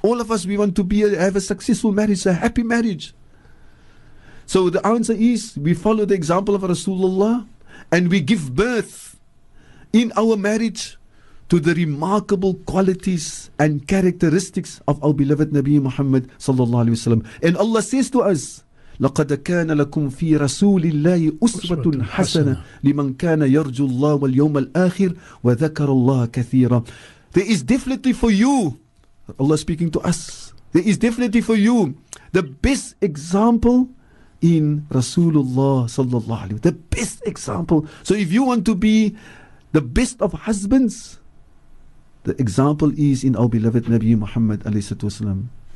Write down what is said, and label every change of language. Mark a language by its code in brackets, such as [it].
[en] All of us, we want to have a successful marriage, a happy marriage. So the answer is we follow the example of Rasulullah and we give birth in our marriage to the remarkable qualities and characteristics of our beloved Nabi Muhammad sallallahu alaihi wasallam. [ar] And Allah says to us, لَقَدْ كَانَ لَكُمْ فِي رَسُولِ اللَّهِ أُسْوَةٌ حَسَنَةٌ لِمَنْ كَانَ يَرْجُ اللَّهُ وَالْيَوْمَ الْآخِرِ وَذَكَرَ اللَّهَ كَثِيرًا. [en] There is definitely for you, Allah speaking to us, there is definitely for you the best example in Rasulullah sallallahu alaihi wasallam. The best example. So if you want to be the best of husbands, the example is in our beloved Nabi Muhammad alayhi salatu wasalam.